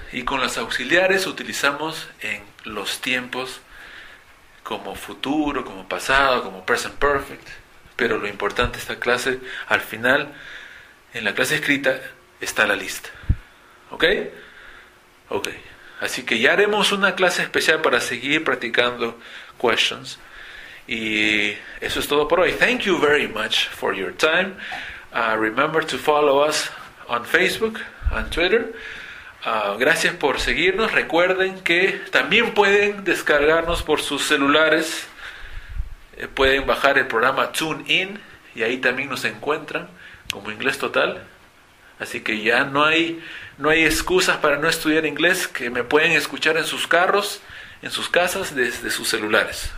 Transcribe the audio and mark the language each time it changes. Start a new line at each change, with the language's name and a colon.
Spanish: Y con los auxiliares utilizamos en los tiempos como futuro, como pasado, como present perfect. Pero lo importante de esta clase, al final, en la clase escrita, está la lista. ¿Ok? Ok. Así que ya haremos una clase especial para seguir practicando questions. Y eso es todo por hoy.
English: Thank you very much for your time. Remember to follow us on Facebook and Twitter.
Spanish: Gracias por seguirnos. Recuerden que también pueden descargarnos por sus celulares. Pueden bajar el programa TuneIn y ahí también nos encuentran como Inglés Total. Así que ya no hay excusas para no estudiar inglés, que me pueden escuchar en sus carros, en sus casas, desde sus celulares.